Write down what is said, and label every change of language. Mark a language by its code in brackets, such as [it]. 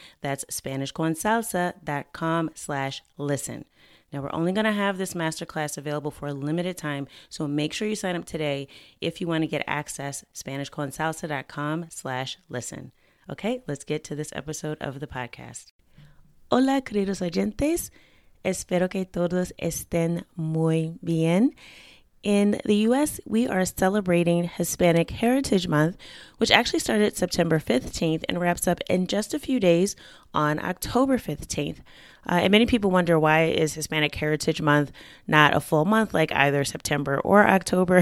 [en] That's SpanishConSalsa.com/listen. Now, we're only going to have this masterclass available for a limited time, so make sure you sign up today if you want to get access, SpanishConSalsa.com/listen. Okay, let's get to this episode of the podcast. [es] Hola, queridos oyentes. Espero que todos estén muy bien. [en] In the U.S., we are celebrating Hispanic Heritage Month, which actually started September 15th and wraps up in just a few days on October 15th. And many people wonder, why is Hispanic Heritage Month not a full month like either September or October?